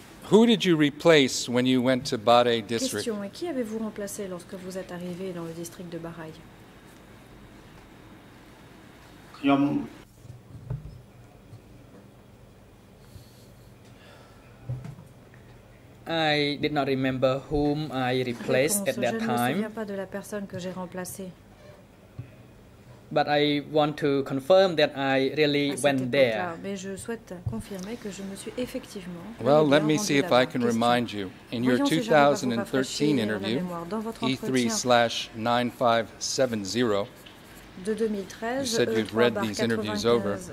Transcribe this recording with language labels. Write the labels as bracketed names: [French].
[English] Who did you replace when you went to Barai district? [French] Question, et qui avez-vous remplacé lorsque vous êtes arrivé dans le district de Barai? [English] I did not remember whom I replaced [French] réponse, [English] at that time. [French] Je ne me souviens pas de la personne que j'ai remplacée. [English] But I want to confirm that I really went there. [French] Mais je souhaite confirmer que je me suis effectivement rendu là-bas. [English] Well, let me see if I can remind you. In your 2013 interview, E3/9570, you said you've read these interviews over.